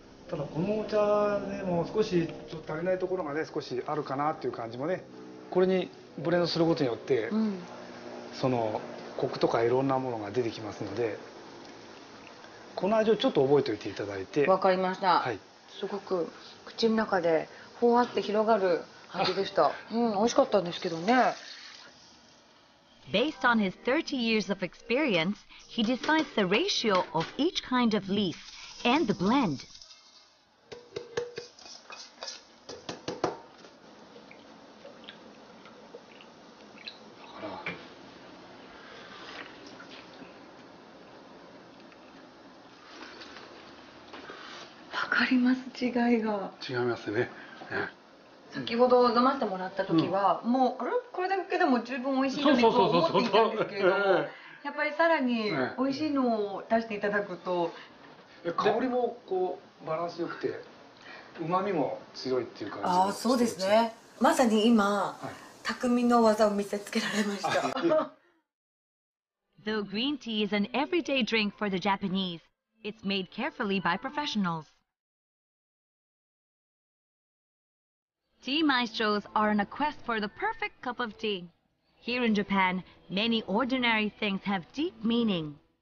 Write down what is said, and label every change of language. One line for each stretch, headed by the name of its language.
Japanese: ただこのお茶でも少しちょっと足りないところがね少しあるかなっていう感じもねこれにブレンドすることによって、うん、そのコクとかいろんなものが出てきますのでこの味をちょっと覚えておいていただいて。わかりました、はい。すごく口の中でふわって広がる味でした。うん、美味しかったんですけどね。
English: Based on his 30 years of experience, he decides the ratio of each kind of leaf and the blend.
Japanese: あります違いが違いますね、うん、先ほど飲ませてもらった時は、うん、もうあれこれだけでも十分美味しいのにと思っていたんですけどやっぱりさらに美味しいのを出していただくと、うん、香りもこうバランスよくて旨味も強いっていう感じあそうですねまさに今、はい、匠の技を見せつけられました
English: Though green tea is an everyday drink for the Japanese, it's made carefully by professionalsTea maestros are on a quest for the perfect cup of tea. Here in Japan, many ordinary things have deep meaning.